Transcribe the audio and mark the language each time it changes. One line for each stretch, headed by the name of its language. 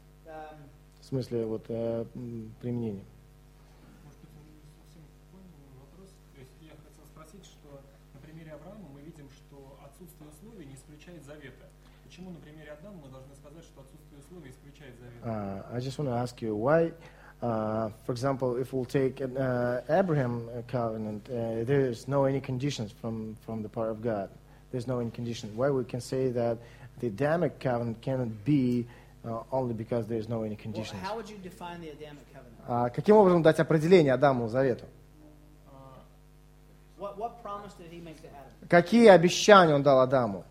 Russian: В смысле, вот, применения. Может быть, не совсем понял вопрос. То есть я хотел спросить, что на примере Авраама мы видим, что отсутствие условий не исключает завета. Почему на примере Адама мы должны сказать, что отсутствие условий исключает завета?
English: I just want to ask you why. For example, if we'll take an Abraham covenant, there is no any conditions from the part of God. There's no any condition. Why we can say that the Adamic covenant cannot be only because there's no any conditions? Well, how would you define the Adamic covenant?
Russian: Каким образом дать определение Адаму завету?
English: What promise did he make to Adam?
Russian: Какие обещания он дал Адаму?